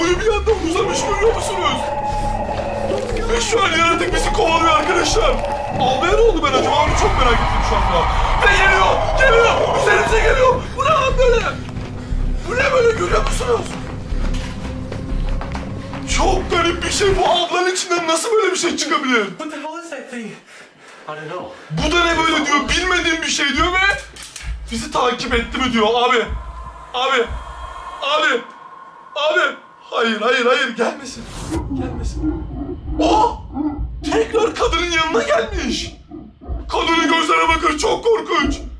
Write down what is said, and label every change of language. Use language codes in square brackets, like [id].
[tr] Boyu bir anda uzamış görüyor musunuz? Ve şu an yaratık bizi kovalıyor arkadaşlar. Almaya ne oldu ben acaba? Abi çok merak ettim şu anda. Ve geliyor, geliyor. Üzerimize geliyor. Bu ne lan böyle? Bu ne böyle görüyor musunuz? Çok garip bir şey bu. Ablanın içinden nasıl böyle bir şey çıkabilir? [en] What the hell is that thing? I don't know. [tr] Bu da ne böyle diyor. Bilmediğim bir şey diyor ve bizi takip etti mi diyor. Abi, abi. Abi! Abi! Hayır, hayır, hayır! Gelmesin! Gelmesin! Oh! Tekrar kadının yanına gelmiş! Kadının gözlerine bakın, çok korkunç!